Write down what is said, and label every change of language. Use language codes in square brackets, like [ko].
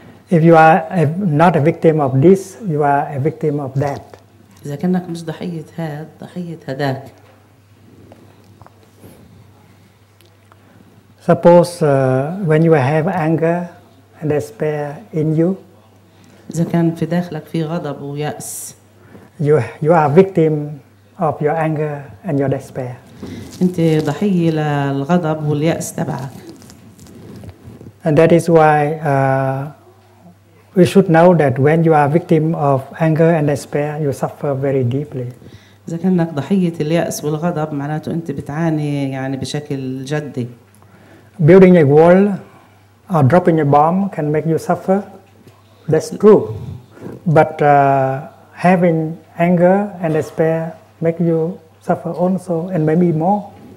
[en] If you are not a victim of this, you are a victim of that. [ar] إذا كنك مش ضحية هاد ضحية هداك. [en] Suppose when you have anger and despair in you. [ar] إذا كان في داخلك في غضب ويأس. [en] You are a victim of your anger and your despair. [ar] أنت ضحية للغضب واليأس تبعك. [en] And that is why we should know that when you are victim of anger and despair, you suffer very deeply. [ar] إذا كنك ضحية اليأس والغضب معناته أنت بتعاني يعني بشكل جدي. [en] Building a wall or dropping a bomb can make you suffer. That's true. But having anger and despair make you suffer also, and maybe more.